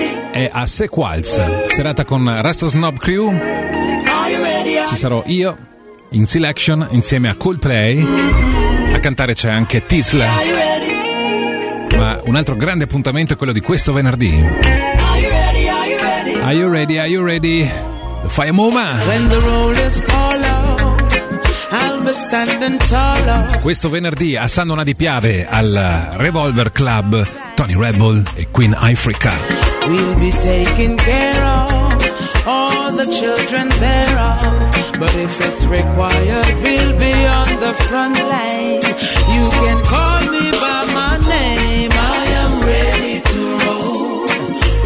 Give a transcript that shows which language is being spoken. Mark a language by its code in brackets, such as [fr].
[it] È a Sequals, serata con Rasta Snob Crew. Ci sarò io in Selection insieme a Coldplay. A cantare c'è anche Tisla. Ma un altro grande appuntamento è quello di questo venerdì. [en] Are you ready? Are you ready? Fai Moma. When the roll is called, I'll be standing tall. [it] Questo venerdì a San Donà di Piave al Revolver Club, Tony Rebel e Queen Africa. [en] We'll be taking care of all the children thereof. But if it's required, we'll be on the front line. You can call me by my name. I am ready to roll.